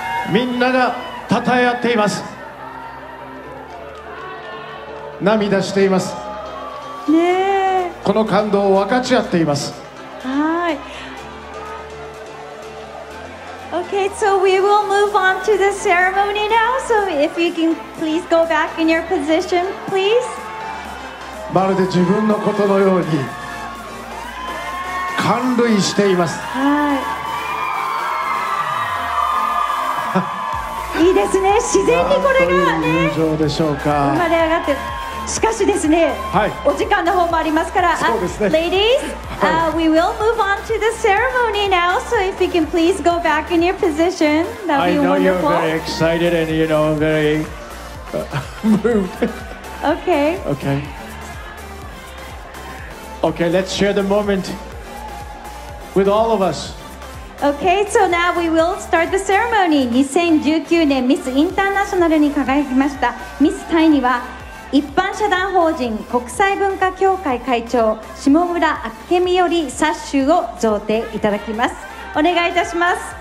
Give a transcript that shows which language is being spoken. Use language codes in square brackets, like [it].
[ja] みんながたたえ合っています。涙しています。ねえ、この感動を分かち合っています。はい。 [en] Okay, so we will move on to the ceremony now. So if you canPlease go back in your position, please. [ja] まるで自分のことのように感涙しています。はい。いいですね、自然にこれがね、なんという友情でしょうか。生まれ上がって、しかしですね、はい、お時間の方もありますから、そうですね、 [en] Ladies、はい、we will move on to the ceremony now. So if you can please go back in your position, that would be wonderful. I know you're very excited and you know I'm veryOkay, let's share the moment with all of us. Okay, so now we will start the ceremony. [ja] 2019年ミスインターナショナルに輝きましたミスタイには、一般社団法人国際文化協会会長下村明美よりサッシュを贈呈いただきます。お願いいたします。